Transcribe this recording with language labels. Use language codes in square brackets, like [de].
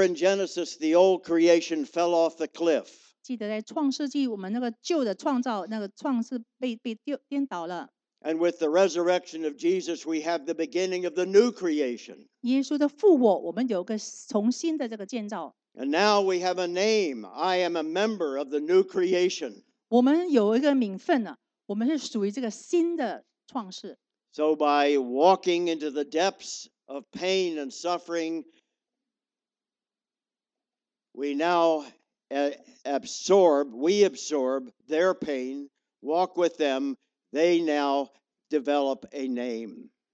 [en] in Genesis, the old creation fell off the cliff. [zh] 记得在创世纪，我们那个旧的创造，那个创是被颠倒了。 [en] And with the resurrection of Jesus, we have the beginning of the new creation. [zh] 耶稣的复活，我们有个重新的这个建造。 [en] And now we have a name. I am a member of the new creation. [zh] 我们有一个名分，我们是属于这个新的创世。 [en] So by walking into the depths of pain and suffering, we now absorb their pain, walk with them, they now develop a name.